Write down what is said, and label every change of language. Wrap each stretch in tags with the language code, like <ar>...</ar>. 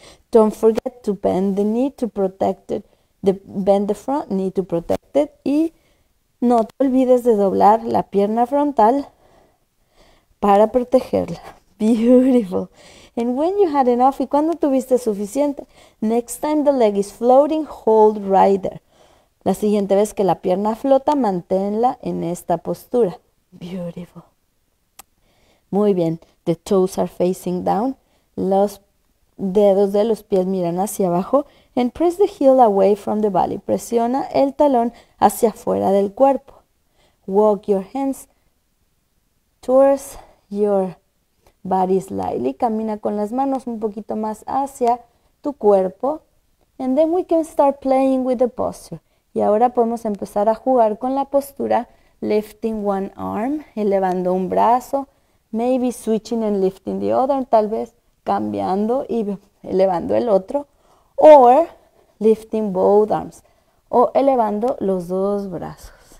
<en>Don't forget to bend the knee to protect it. Bend the front knee to protect it.</en> <es>Y no te olvides de doblar la pierna frontal para protegerla. Beautiful.</es> <en>And when you had enough,</en> <es>y cuando tuviste suficiente,</es> <en>next time the leg is floating, hold right there.</en> <es>La siguiente vez que la pierna flota, manténla en esta postura. Beautiful. Muy bien.</es> <en>The toes are facing down.</en> <es>Los dedos de los pies miran hacia abajo.</es> <en>And press the heel away from the body.</en> <es>Presiona el talón hacia afuera del cuerpo.</es> <en>Walk your hands towards your body slightly.</en> <es>Camina con las manos un poquito más hacia tu cuerpo.</es> <en>And then we can start playing with the posture.</en> <es>Y ahora podemos empezar a jugar con la postura.</es> <en>Lifting one arm,</en> <es>elevando un brazo,</es> <en>maybe switching and lifting the other,</en> <es>tal vez cambiando y elevando el otro,</es> <en>or lifting both arms,</en> <es>o elevando los dos brazos.</es>